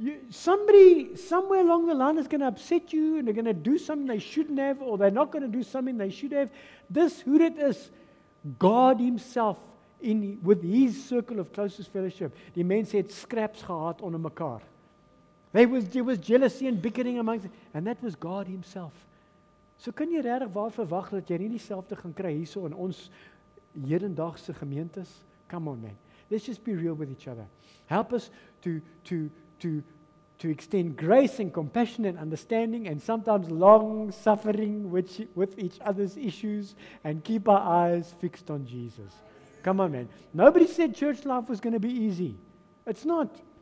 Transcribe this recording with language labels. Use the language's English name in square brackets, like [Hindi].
[English] Somebody somewhere along the line is going to upset you and they're going to do something they shouldn't have, or they're not going to do something they should have. This, who it is, God Himself with His circle of closest fellowship. The man said, scraps [Afrikaans] gehad onder mekaar. [English] There was jealousy and bickering amongst them, and that was God Himself. [Afrikaans] So kan jy regtig waar verwag dat jy nie dieselfde gaan kry hierso in ons hedendaagse gemeentes? [English] Come on, man. Let's just be real with each other. Help us to extend grace and compassion and understanding and sometimes long suffering with each other's issues and keep our eyes fixed on Jesus. Come on, man. Nobody said church life was going to be easy. It's not.